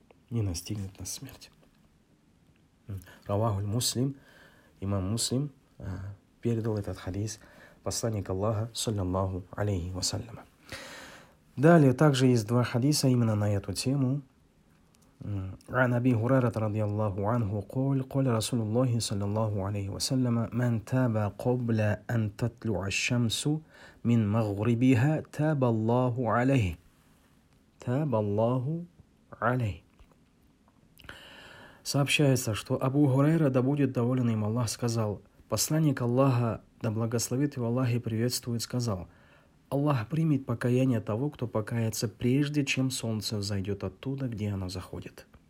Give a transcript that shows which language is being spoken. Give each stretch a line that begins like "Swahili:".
Russian: Не настигнет нас смерть. Раваху Муслим, имам Муслим, передал этот хадис посланник Аллаха, саллиллаху алейхи вассалям. Далее, также есть два хадиса именно на эту тему.
Arabic: عن أبي هريرة رضي الله عنه قال قال رسول الله صلى الله عليه وسلم من تاب قبل أن تطلع الشمس من مغربها تاب الله عليه تاب الله عليه.
Russian: Сообщается, что Абу Хурайра, да будет доволен им Аллах, сказал: «Посланник Аллаха, да благословит его Аллах и приветствует, сказал: Аллах примет покаяние того, кто покается прежде, чем солнце взойдет оттуда, где оно заходит».